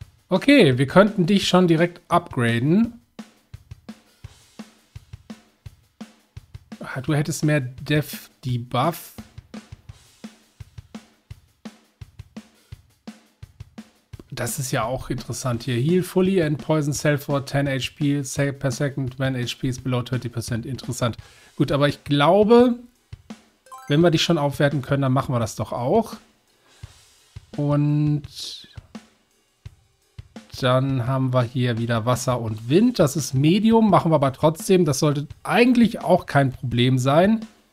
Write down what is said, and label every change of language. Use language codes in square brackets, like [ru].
[de] Okay, wir könnten dich schon direkt upgraden. du hättest mehr Def Debuff. Das ist ja auch interessant hier. [en] Heal fully and poison self for 10 HP per second when HP is below 30%. [de] Interessant. Gut, aber ich glaube, wenn wir die schon aufwerten können, dann machen wir das doch auch. Und dann haben wir hier wieder Wasser und Wind. Das ist Medium, machen wir aber trotzdem. Das sollte eigentlich auch kein Problem sein.